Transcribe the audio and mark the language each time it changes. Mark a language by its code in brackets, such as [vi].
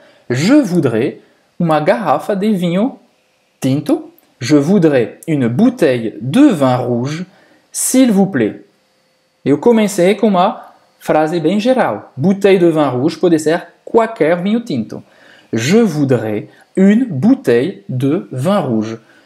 [fr] Je voudrais [pt] uma garrafa de vinho tinto. [fr] Je voudrais une bouteille de vin rouge, s'il vous plaît. [pt] Eu comecei com uma frase bem geral. [fr] Bouteille de vin rouge [pt] pode ser qualquer vinho tinto. [fr] Je voudrais une bouteille de vin rouge.